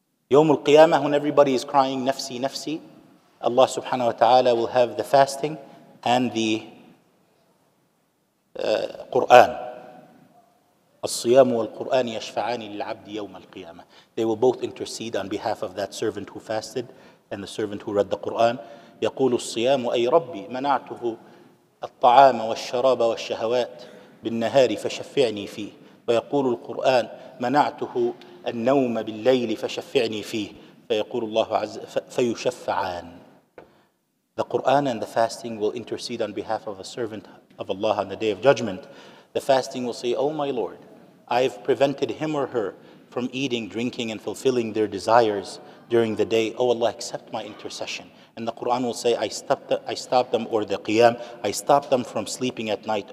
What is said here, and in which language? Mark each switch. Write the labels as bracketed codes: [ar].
[en] Yawm al-Qiyamah, when everybody is crying, nafsi, nafsi, Allah subhanahu wa ta'ala will have the fasting and the Qur'an. [ar] As-siyamu wal-Qur'an yashfa'ani lil-abdi yawm al-Qiyamah. [en] They will both intercede on behalf of that servant who fasted and the servant who read the Qur'an. [ar] يقول الصيام أي ربي منعته الطعام والشراب والشهوات بالنهار فشفعني فيه ويقول القرآن منعته النوم بالليل فشفعني فيه فيقول الله عز فيشفعان. [en] The Quran and the fasting will intercede on behalf of a servant of Allah on the day of judgment. The fasting will say, "Oh my Lord, I have prevented him or her from eating, drinking, and fulfilling their desires during the day. Oh Allah, accept my intercession." And the Quran will say, I stopped them, or the Qiyam, I stopped them from sleeping at night.